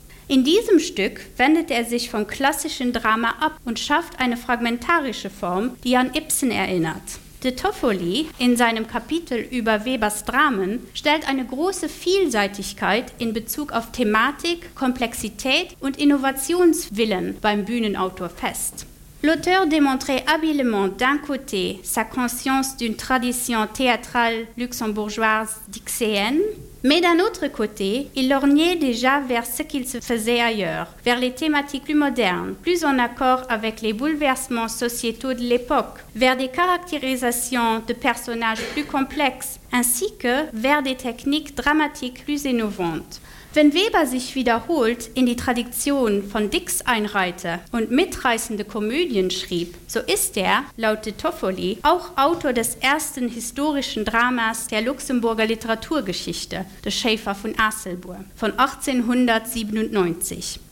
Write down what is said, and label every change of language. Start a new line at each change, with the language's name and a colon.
German: In diesem Stück wendet er sich vom klassischen Drama ab und schafft eine fragmentarische Form, die an Ibsen erinnert. De Toffoli in seinem Kapitel über Webers Dramen stellt eine große Vielseitigkeit in Bezug auf Thematik, Komplexität und Innovationswillen beim Bühnenautor fest.
French: L'auteur démontrait habilement d'un côté sa conscience d'une tradition théâtrale luxembourgeoise dixéenne, mais d'un autre côté, il lorgnait déjà vers ce qu'il se faisait ailleurs, vers les thématiques plus modernes, plus en accord avec les bouleversements sociétaux de l'époque, vers des caractérisations de personnages plus complexes, ainsi que vers des techniques dramatiques plus innovantes.
German: Wenn Weber sich wiederholt in die Tradition von Dix einreihte und mitreißende Komödien schrieb, so ist er, laut de Toffoli, auch Autor des ersten historischen Dramas der Luxemburger Literaturgeschichte, des Schäfer von Asselburg, von 1897.